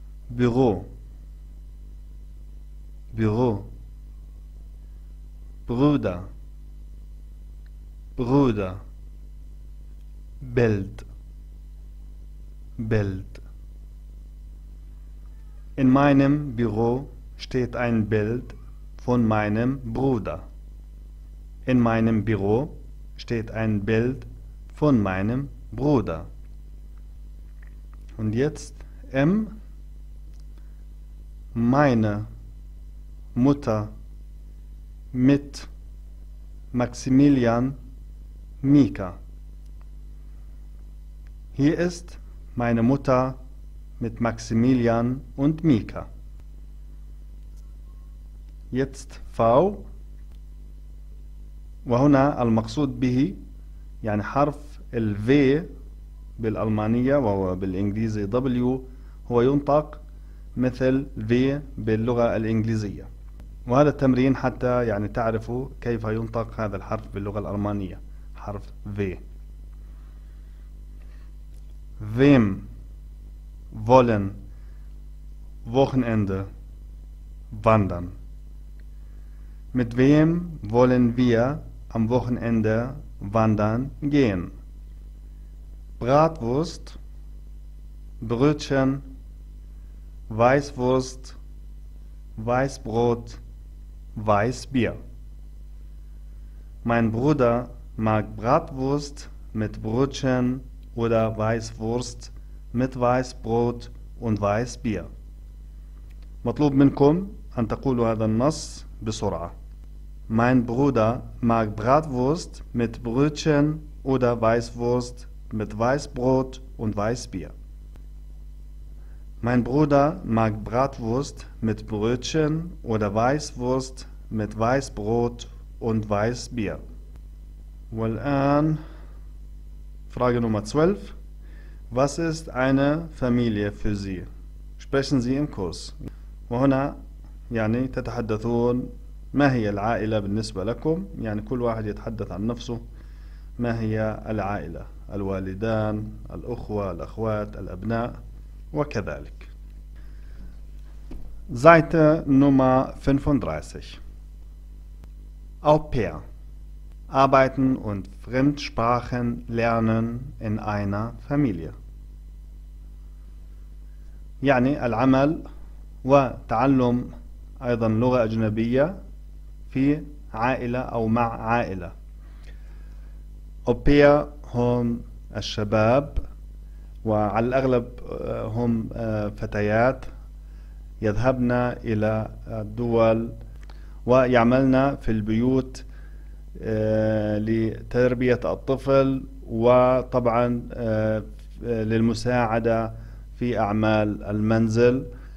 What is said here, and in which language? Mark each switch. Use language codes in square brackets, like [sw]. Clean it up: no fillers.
[ar] بيغو بيغو برودة برودة بلد بلد. [de] In meinem Büro steht ein Bild von meinem Bruder. In meinem Büro steht ein Bild von meinem Bruder. Und jetzt M. Meine Mutter mit Maximilian Mika. Hier ist meine Mutter mit Maximilian und Mika. Jetzt V. [ar] وهنا المقصود به يعني حرف ال V بالألمانية وهو بالإنجليزي W هو ينطق مثل V باللغة الإنجليزية. وهذا التمرين حتى يعني تعرفوا كيف ينطق هذا الحرف باللغة الألمانية حرف V. [de] Wem wollen Wochenende wandern? Mit wem wollen wir am Wochenende wandern gehen? Bratwurst, Brötchen, Weißwurst, Weißbrot, Weißbier. Mein Bruder mag Bratwurst mit Brötchen oder Weißwurst mit Weißbrot und Weißbier. [ar] مطلوب منكم أن تقولوا هذا النص بسرعة. [de] Mein Bruder mag Bratwurst mit Brötchen oder Weißwurst mit Weißbrot und Weißbier. Mein Bruder mag Bratwurst mit Brötchen oder Weißwurst mit Weißbrot und Weißbier. [ar] والآن [de] Frage Nummer 12. Was ist eine Familie für Sie? Sprechen Sie im Kurs. [ar] وهنا يعني تتحدثون ما هي العائلة بالنسبة لكم؟ يعني كل واحد يتحدث عن نفسه. ما هي العائلة؟ الوالدان، الأخوة، الأخوات، الأبناء وكذلك. [de] Seite Nummer 35. Au pair. Arbeiten und Fremdsprachen lernen in einer Familie. [ar] يعني العمل وتعلم أيضا لغة أجنبية في عائلة أو مع عائلة. Au pair هم الشباب وعلى الأغلب هم فتيات يذهبن إلى الدول ويعملن في البيوت لتربية الطفل وطبعا للمساعدة في أعمال المنزل.